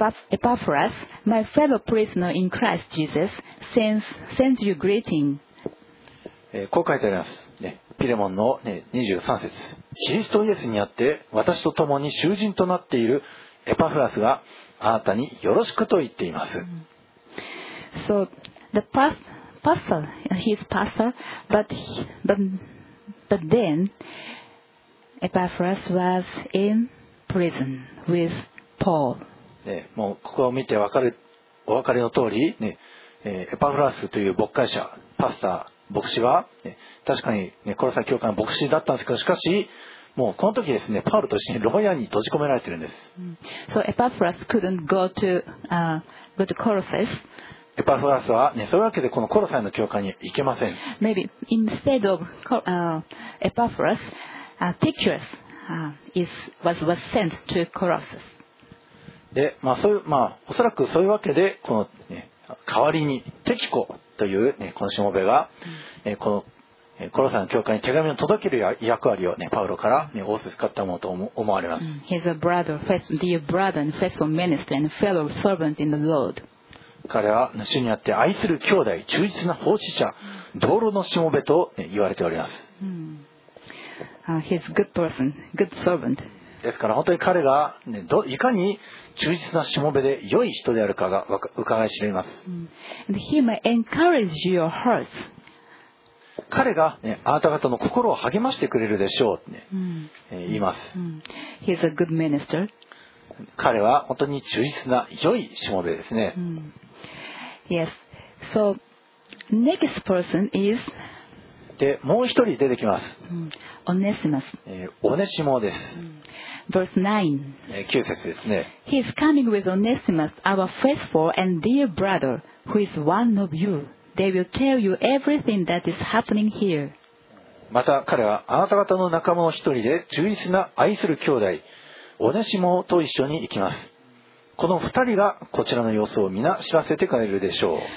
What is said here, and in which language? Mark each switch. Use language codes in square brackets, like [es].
[en] Epaphras, my fellow prisoner in Christ Jesus, sends you greeting. [ja] こう書いてあります。ね、ピレモンの、ね、23節。キリストイエスにあって私と共に囚人となっているエパフラスが、あなたによろしくと言っています。 [en] So the pastor, he's pastor, but then Epaphras was in prison with Paul. [ja] ね、もうここを見てお分かりの通り、ね、エパフラスという牧会者、パスター、牧師は、ね、確かに、ね、コロサイ教会の牧師だったんですけど、しかし。もうこの時ですね、パウロと一緒に牢屋に閉じ込められているんです。 [en] So Epaphras couldn't go to Colossus. [ja] エパフラスはね、そういうわけでこのコロサイの教会に行けません。 [en] Maybe instead of Epaphras, Tychicus was sent to Colossus. [ja] で、まあそういうまあおそらくそういうわけでこの、ね、代わりにテキコというねこのしもべが、このコロサイの教会に手紙を届ける役割を、ね、パウロから仰、ね、せつかったものと思われます。 [en] He's a brother, dear brother, and faithful minister and fellow servant in the Lord. [ja] 彼は主にあって愛する兄弟、忠実な奉仕者、道路のしもべと、ね、言われております。 [en] He's a good person, good servant. [ja] ですから本当に彼が、ね、いかに忠実なしもべで良い人であるかが伺い知れます。 [en] And he may encourage your hearts. [ja] 彼が、ね、あなた方の心を励ましてくれるでしょうと、ね言います。 [en] He's a good minister. [ja] 彼は本当に忠実な良いしもべですね。 [en] Yes. So, next person is [ja] でもう一人出てきます、オネシモス、オネシモです、 [en] Verse [ja] 9, 9節ですね。 [en] He is coming with Onesimus, our faithful and dear brother, who is one of you. They will tell you everything that is happening here. [ja] また彼はあなた方の仲間の一人で忠実な愛する兄弟オネシモと一緒に行きます。この二人がこちらの様子を皆知らせてくれるでしょう。